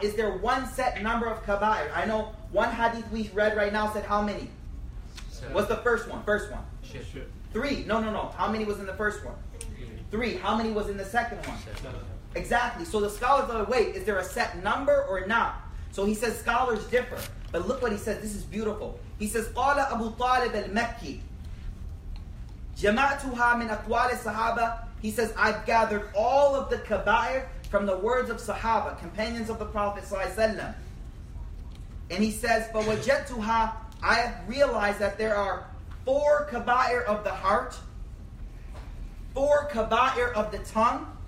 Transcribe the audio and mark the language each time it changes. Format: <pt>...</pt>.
<en>Is there one set number of kaba'ir? I know one hadith we read right now said how many? Seven. What's the first one? Shit. Three. No. How many was in the first one? Three. How many was in the second one? Seven. Exactly. So the scholars are like, wait, is there a set number or not? So he says scholars differ. But look what he says. This is beautiful. He says,</en> <ar>قال أبو طالب المكي جمعتها من أقوال الصحابة.</ar> <en>He says, I've gathered all of the kaba'ir from the words of Sahaba, companions of the Prophet ﷺ. And he says, فوجدتها, I have realized that there are four kaba'ir of the heart, four kaba'ir of the tongue,</en>